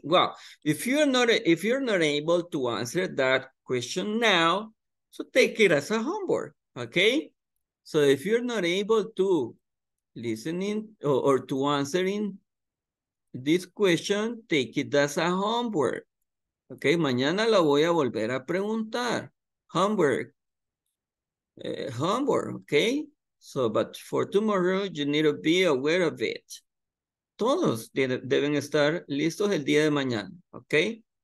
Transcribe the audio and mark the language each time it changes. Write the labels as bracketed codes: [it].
[en] Well, if you're not able to answer that question now, so take it as a homework, okay? So if you're not able to listen in or to answer in this question, take it as a homework. [es] Okay, mañana la voy a volver a preguntar. [en] Homework. Homework, okay? So, but for tomorrow, you need to be aware of it. [es] Todos deben estar listos el día de mañana, okay?